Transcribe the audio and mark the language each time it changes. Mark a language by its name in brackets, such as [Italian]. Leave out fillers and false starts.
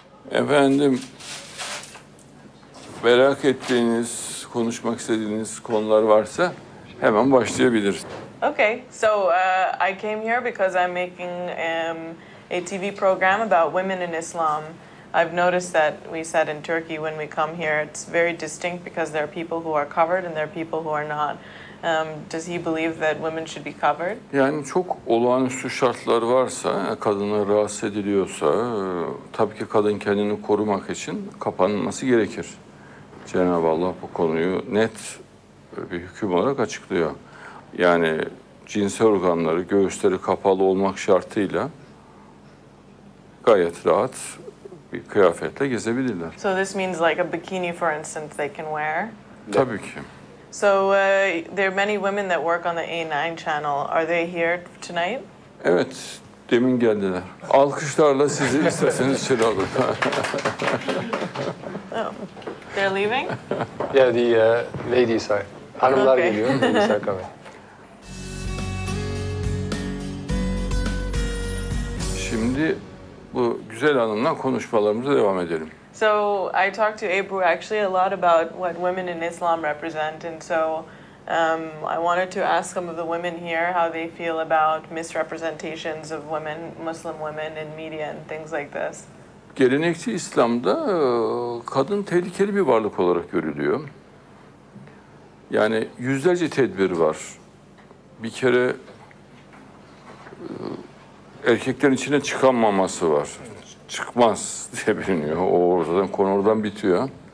[Turkish] Efendim, merak ettiğiniz, konuşmak istediğiniz konular varsa hemen başlayabiliriz. [English] Okay, so I came here because I'm making a TV program about women in Islam. I've noticed that we said in Turkey when we come here, it's very distinct because there are people who are covered and there are people who are not. Does he believe that women should be covered? [Turkish] Yani çok olağanüstü şartlar varsa, kadına rahatsız ediliyorsa, tabii ki kadın kendini korumak için kapanması gerekir. Cenab-ı Allah bu konuyu net bir hüküm olarak açıklıyor. Yani cinsel organları, göğüsleri kapalı olmak şartıyla gayet rahat bir kıyafetle gezebilirler. [English] So this means like a bikini, for instance, they can wear? [Turkish] Tabii ki. [English] So there are many women that work on the A9 channel. Are they here tonight? [Turkish] Evet, demin geldiler. Alkışlarla sizi isterseniz içeri alın. [English] Oh, they're leaving? Yeah, the ladies are. [Turkish] Hanımlar geliyor, [English] ladies are coming. [Turkish] Şimdi bu güzel hanımla konuşmalarımıza devam edelim. [English] So I talked to Abru actually a lot about what women in Islam represent, and so I wanted to ask some of the women here how they feel about misrepresentations of women, Muslim women in media and things like this. [Turkish] Gelenekçi İslam'da kadın tehlikeli bir varlık olarak görülüyor. Yani yüzlerce tedbir var. Bir kere erkeklerin içine çıkamaması var. Çıkmaz diye biliniyor. O oradan, konu oradan bitiyor.